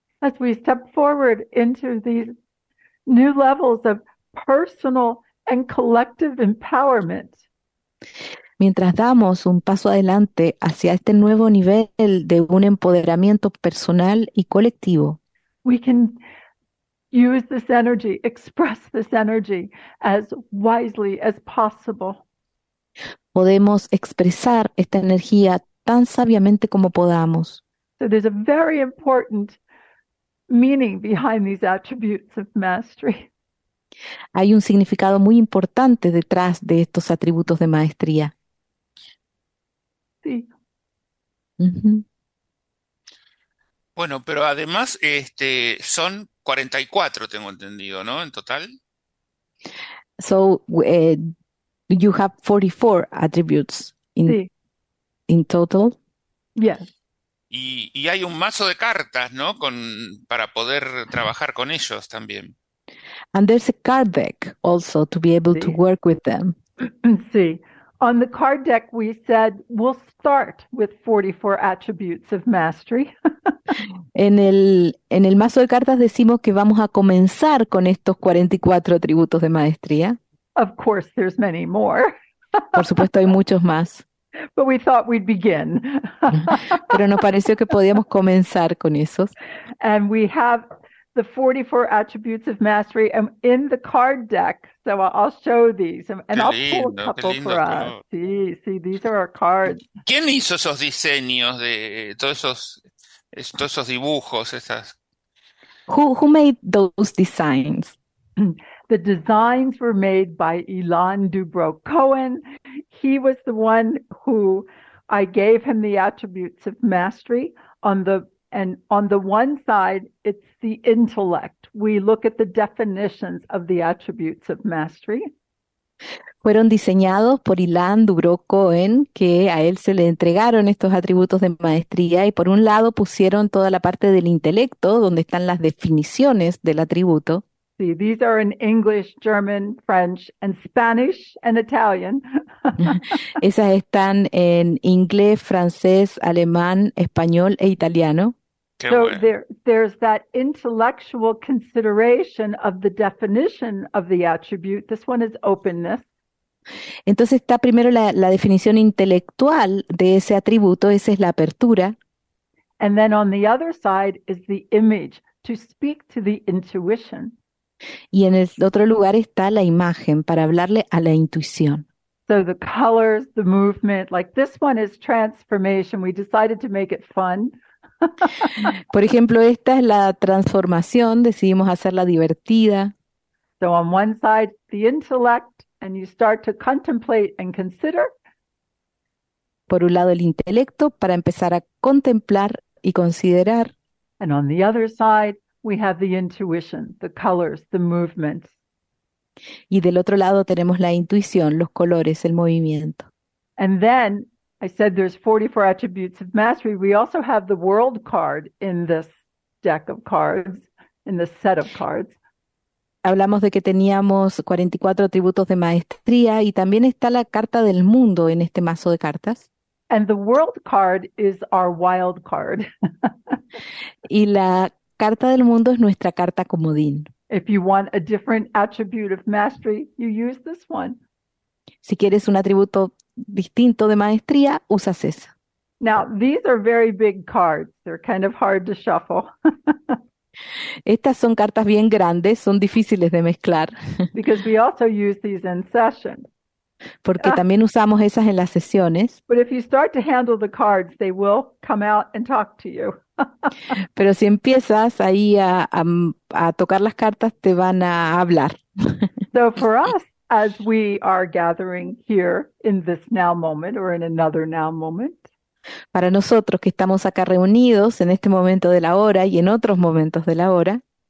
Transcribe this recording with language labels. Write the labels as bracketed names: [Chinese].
[English] as we step forward into these new levels of personal and collective empowerment. [Spanish] Mientras damos un paso adelante hacia este nuevo nivel de un empoderamiento personal y colectivo, [English] we can use this energy, express this energy as wisely as possible. [Spanish] Podemos expresar esta energía tan sabiamente como podamos. [English] So there's a very important meaning behind these attributes of mastery. [Spanish] Hay un significado muy importante detrás de estos atributos de maestría. Sí. Bueno, pero además son 44, tengo entendido, ¿no? En total. [English] So, you have 44 attributes in total. Yes. [Spanish] Y hay un mazo de cartas, ¿no? Para poder trabajar con ellos también. [English] And there's a card deck also to be able to work with them. See, on the card deck we said we'll start with 44 attributes of mastery. [Spanish] En el mazo de cartas decimos que vamos a comenzar con estos 44 atributos de maestría. [English] Of course there's many more. [Spanish] Por supuesto hay muchos más. [English] But we thought we'd begin. [Spanish] Pero nos pareció que podíamos comenzar con esos. [English] And we have the 44 attributes of mastery and in the card deck, so I'll show these and [Spanish] qué [English] I'll [Spanish] lindo, [English] pull a couple [Spanish] lindo, [English] for us. [Spanish] Pero... [English] See, these are our cards. [Spanish] ¿Quién hizo esos diseños de todos esos dibujos, esas? [English] Who made those designs? The designs were made by Ilan Dubrow Cohen. He was the one who I gave him the attributes of mastery on the And on the one side, it's the intellect. We look at the definitions of the attributes of mastery. [Spanish] Fueron diseñados por Ilan Dubrow Cohen, que a él se le entregaron estos atributos de maestría, y por un lado pusieron toda la parte del intelecto, donde están las definiciones del atributo. [English] See, these are in English, German, French, and Spanish, and Italian. [Spanish] Esas están en inglés, francés, alemán, español e italiano. Qué [English] so [Spanish] bueno. [English] There's that intellectual consideration of the definition of the attribute. This one is openness. [Spanish] Entonces está primero la definición intelectual de ese atributo, esa es la apertura. [English] And then on the other side is the image, to speak to the intuition. [Spanish] Y en el otro lugar está la imagen para hablarle a la intuición. [English] So the colors, the movement, like this one is transformation. We decided to make it fun. [Spanish] Por ejemplo, esta es la transformación. Decidimos hacerla divertida. [English] So on one side, the intellect, and you start to contemplate and consider. [Spanish] Por un lado, el intelecto para empezar a contemplar y considerar. [English] And on the other side, we have the intuition, the colors, the movement. [Spanish] Y del otro lado tenemos la intuición, los colores, el movimiento. [English] And then, I said there's 44 attributes of mastery. We also have the world card in this deck of cards. in the set of cards. [Spanish] Hablamos de que teníamos 44 atributos de maestría y también está la carta del mundo en este mazo de cartas. [English] And the world card is our wild card. [Spanish] Y la carta del mundo es nuestra carta comodín. [English] If you want a different attribute of mastery, you use this one. [Spanish] Si quieres un atributo distinto de maestría, usas esa. [English] Now, these are very big cards. They're kind of hard to shuffle. [Spanish] Estas son cartas bien grandes, son difíciles de mezclar. [English] Because we also use these in session. [Spanish] Porque también usamos esas en las sesiones. [English] But if you start to handle the cards, they will come out and talk to you. [Spanish] Pero si empiezas ahí a tocar las cartas, te van a hablar. [English] So for us, as we are gathering here in this now moment or in another now moment, [Spanish] para nosotros que estamos acá reunidos en este momento de la hora y en otros momentos de la hora,